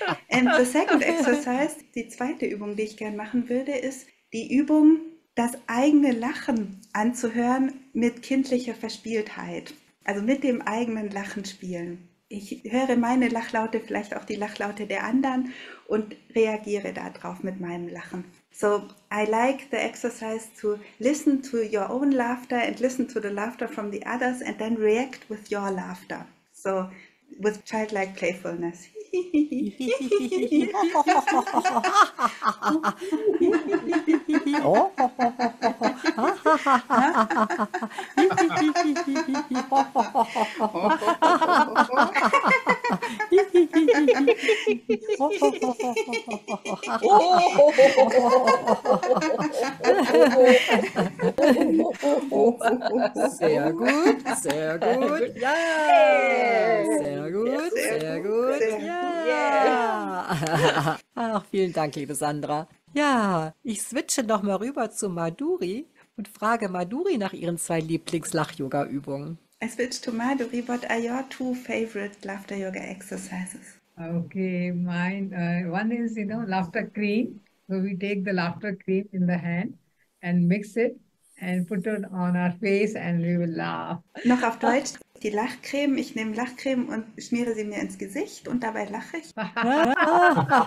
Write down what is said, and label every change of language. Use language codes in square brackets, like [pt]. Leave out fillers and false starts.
[en] And the second exercise, [de] die zweite Übung, die ich gern machen würde, ist die Übung, das eigene Lachen anzuhören mit kindlicher Verspieltheit, also mit dem eigenen Lachen spielen. Ich höre meine Lachlaute, vielleicht auch die Lachlaute der anderen und reagiere darauf mit meinem Lachen. [en] So I like the exercise to listen to your own laughter and listen to the laughter from the others and then react with your laughter. So with childlike playfulness. Oh. [de] Sehr gut, sehr gut. Ja, sehr gut, sehr gut. Ja. Ach, vielen Dank, liebe Sandra. Ja, ich switche noch mal rüber zu Madhuri und frage Madhuri nach ihren zwei Lieblings-Lach-Yoga-Übungen. [en] I switch to Madhuri. What are your two favorite laughter yoga exercises? Okay, mine, one is, you know, laughter cream. So we take the laughter cream in the hand and mix it and put it on our face and we will laugh. [de] Noch auf Deutsch, die Lachcreme. Ich nehme Lachcreme und schmiere sie mir ins Gesicht und dabei lache ich.